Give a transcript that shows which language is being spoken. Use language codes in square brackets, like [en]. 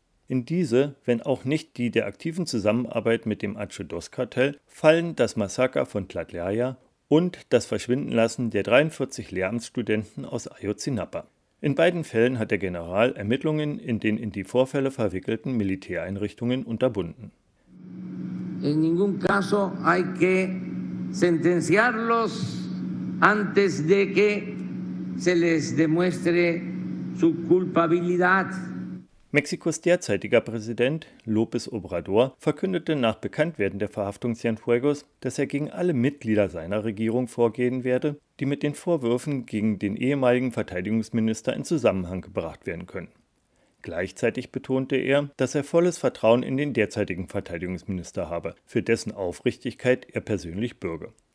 [de] In diese, wenn auch nicht die der aktiven Zusammenarbeit mit dem Atche Dos-Kartell, fallen das Massaker von Tlatelolco und das Verschwindenlassen der 43 Lehramtsstudenten aus Ayotzinapa. In beiden Fällen hat der General Ermittlungen in den in die Vorfälle verwickelten Militäreinrichtungen unterbunden. [es] In ningún caso hay que sentenciarlos antes de que se les demuestre su culpabilidad. [de] Mexikos derzeitiger Präsident López Obrador verkündete nach Bekanntwerden der Verhaftung Cienfuegos, dass er gegen alle Mitglieder seiner Regierung vorgehen werde, die mit den Vorwürfen gegen den ehemaligen Verteidigungsminister in Zusammenhang gebracht werden können. Gleichzeitig betonte er, dass er volles Vertrauen in den derzeitigen Verteidigungsminister habe, für dessen Aufrichtigkeit er persönlich bürge.